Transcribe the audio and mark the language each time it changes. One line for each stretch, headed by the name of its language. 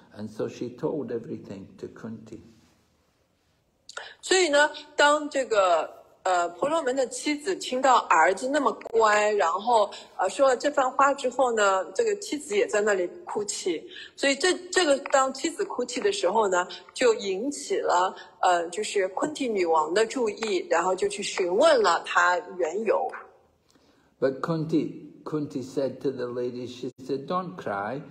English: And so she told everything to Kunti.
Chinese: 所以呢当这个婆罗门的妻子听到儿子那么乖然后说了这番话之后呢这个妻子也在那里哭泣。所以这个当妻子哭泣的时候呢就引起了就是昆蒂女王的注意然后就去询问了她缘由。
English: But Kunti said to the lady, she said, don't cry.